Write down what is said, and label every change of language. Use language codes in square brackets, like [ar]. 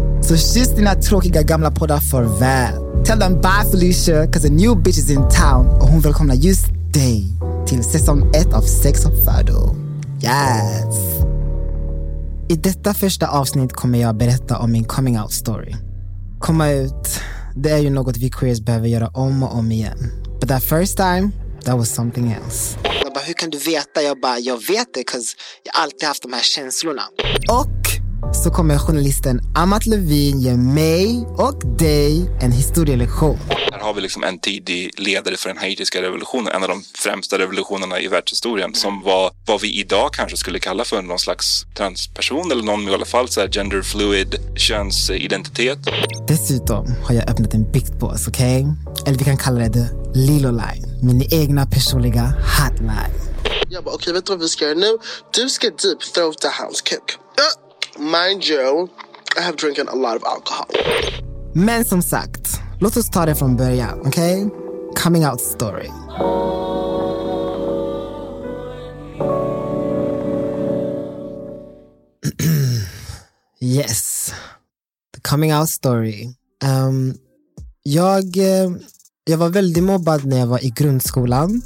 [sv] Så kyss dina tråkiga gamla poddar farväl. [en] Tell them bye Felicia, cause a new bitch is in town. [sv] Och hon välkomnar just dig till säsong 1 av Sex och Fördom. Yes! I detta första avsnitt kommer jag berätta om min coming out story. Komma ut, det är ju något vi queers behöver göra om och om igen. [en] But that first time, that was something else. [sv] Jag bara, hur kan du veta? Jag bara, jag vet det, cause jag alltid haft de här känslorna. Och så kommer journalisten Amat Levin ge mig och dig en historielektion. Här har vi liksom en tidig ledare för den haitiska revolutionen. En av de främsta revolutionerna i världshistorien. Som var vad vi idag kanske skulle kalla för någon slags transperson. Eller någon i alla fall så här gender fluid könsidentitet. Dessutom har jag öppnat en biktbås, okej? Eller vi kan kalla det The Lilo Line. Min egna personliga hotline. Jag bara, okej, vet du vad vi ska göra nu? Du ska [en] deep throat the house cook. Mind you, I have drinking a lot of alcohol. [sv] Men som sagt, låt oss ta det från början, okej? Coming out story. [en] Yes, the coming out story. [sv] Jag var väldigt mobbad när jag var i grundskolan.